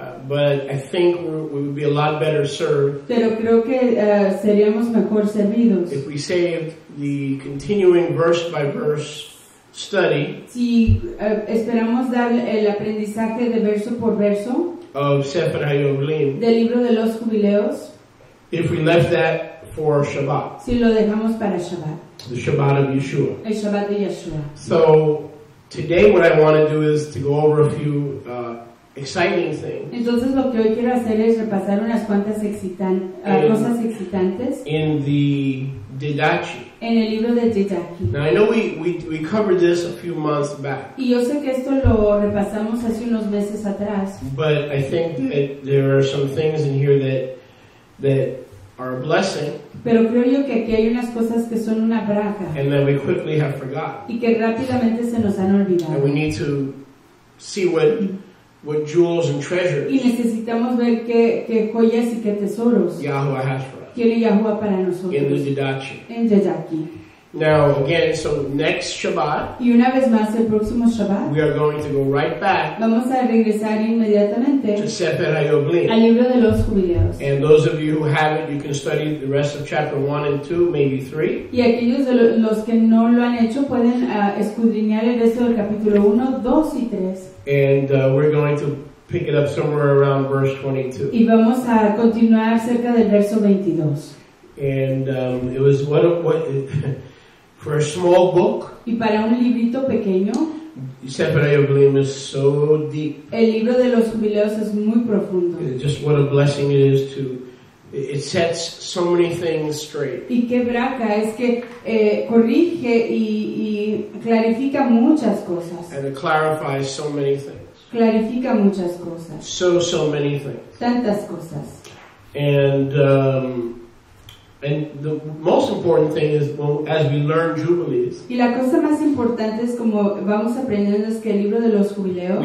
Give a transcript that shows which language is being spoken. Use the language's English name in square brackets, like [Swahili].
[English] But I think we would be a lot better served. [Spanish] Pero creo que seríamos mejor servidos. [English] If we saved the continuing verse by verse study. [Spanish] Si esperamos dar el aprendizaje de verso por verso. [English] Of Sefer HaYoblim. [Spanish] Del libro de los jubileos. [English] If we left that for Shabbat. [Spanish] Si lo dejamos para Shabbat. [English] The Shabbat of Yeshua. [Spanish] El Shabbat de Yeshua. [English] So today what I want to do is to go over a few exciting thing. [Spanish] Entonces lo que hoy quiero hacer es repasar unas cuantas cosas excitantes. [English] In the Didache. [Spanish] En el libro de Didache. [English] Now I know we covered this a few months back. [Spanish] Y yo sé que esto lo repasamos hace unos meses atrás. [English] But I think that there are some things in here that are a blessing. [Spanish] Pero creo yo que aquí hay unas cosas que son una braca. [English] And that we quickly have forgot. [Spanish] Y que rápidamente se nos han olvidado. [English] And we need to see what jewels and treasures. [Spanish] Y necesitamos ver qué joyas y qué tesoros. [English] Yahuwah has for us. [Spanish] Quiere Yahuwah para nosotros. [English] In the Didache. [Spanish] En Didache. [English] Now again, so next Shabbat. [Spanish] Y una vez más el próximo Shabbat. [English] We are going to go right back. [Spanish] Vamos a regresar inmediatamente. [English] To Sefer HaYoblim. [Spanish] Al libro de los jubileos. [English] And those of you who have it, you can study the rest of chapter 1 and 2, maybe 3. [Spanish] Y aquellos de los que no lo han hecho pueden escudriñar el resto del capítulo 1, 2 y 3. [English] And we're going to pick it up somewhere around verse 22. [Spanish] Y vamos a continuar cerca del verso 22. [English] And it was for a small book. [Spanish] Y para un librito pequeño. [English] Sefer HaYoblim is so deep. [Spanish] El libro de los jubileos es muy profundo. [English] Just what a blessing it is to. It sets so many things straight. [Spanish] Y qué braca, es que corrige y clarifica muchas cosas. [English] And it clarifies so many things. [Spanish] Clarifica muchas cosas. [English] So many things. [Spanish] Tantas cosas. [English] And the most important thing is, well, as we learn Jubilees. [Spanish] Y la cosa más importante es como vamos aprendiendo es que el libro de los jubileos.